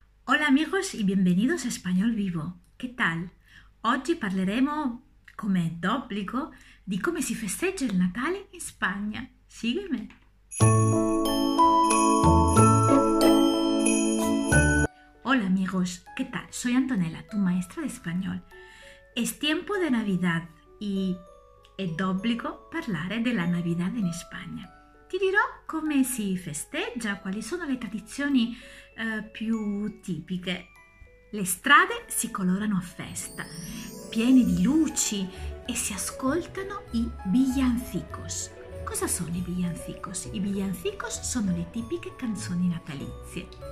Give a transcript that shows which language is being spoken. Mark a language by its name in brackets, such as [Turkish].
[Spanish] Hola amigos y bienvenidos a Español Vivo. ¿Qué tal? [Italian] Oggi parleremo, come d'obbligo, di come si festeggia il Natale in Spagna. Seguimi. [Spanish] Hola amigos, ¿qué tal? Soy Antonella, tu maestra de español. Es tiempo de Navidad y es [Italian] d'obbligo parlare della [Spanish] Navidad en España. [Italian] Ti dirò come si festeggia, quali sono le tradizioni più tipiche. Le strade si colorano a festa, piene di luci e si ascoltano i villancicos. Cosa sono i villancicos? I villancicos sono le tipiche canzoni natalizie.